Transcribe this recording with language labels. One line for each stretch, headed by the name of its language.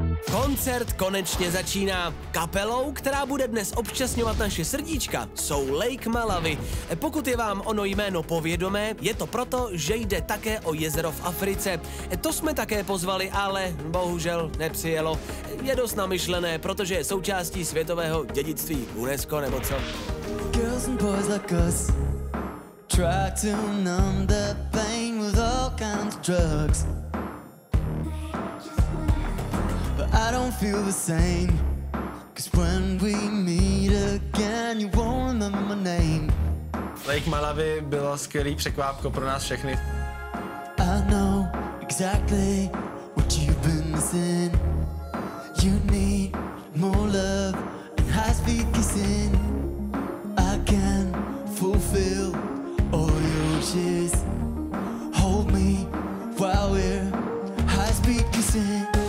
Czech: Koncert konečně začíná. Kapelou, která bude dnes občasňovat naše srdíčka, jsou Lake Malawi. Pokud je vám ono jméno povědomé, je to proto, že jde také o jezero v Africe. To jsme také pozvali, ale bohužel nepřijelo. Je dost namyšlené, protože je součástí světového dědictví UNESCO nebo co.
English: Girls and boys like us try to numb the pain with all kinds of drugs. I don't feel the same, 'cause when we meet again, you won't remember my name.
Czech: Lake Malawi bylo skvělý překvápko pro nás všechny.
English: I know exactly what you've been missing. You need more love and high-speed kissing. I can fulfill all your wishes. Hold me while we're high-speed kissing.